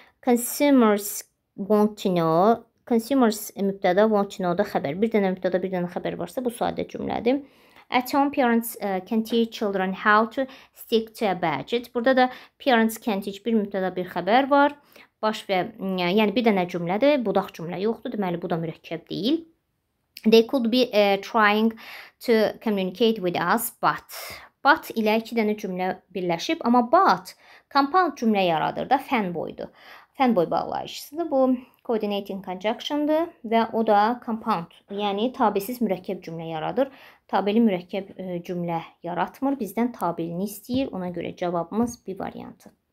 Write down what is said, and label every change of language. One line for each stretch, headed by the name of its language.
English: Consumers want to know, consumers mübtədə want to know
Azerbaijani: da xəbər. Bir dənə mübtədə bir dənə xəbər varsa, bu sadə cümlədir.
English: At home, parents can teach children how to stick to a budget.
Azerbaijani: Burada da
English: parents can teach
Azerbaijani: bir mübtədə bir xəbər var. Baş və, yəni bir dənə cümlədir, budaq cümlə yoxdur, deməli bu da mürəkkəb deyil.
English: They could be trying to communicate with us, but.
Azerbaijani: But ilə iki dənə cümlə birləşib, amma but compound cümlə yaradır da, fən boydur. Fən boy bağlayışısıdır, bu coordinating conjunction-dır və o da compound, yəni tabisiz mürəkkəb cümlə yaradır. Tabeli mürəkkəb cümlə yaratmır, bizdən tabelini istəyir, ona görə cavabımız bir variantı.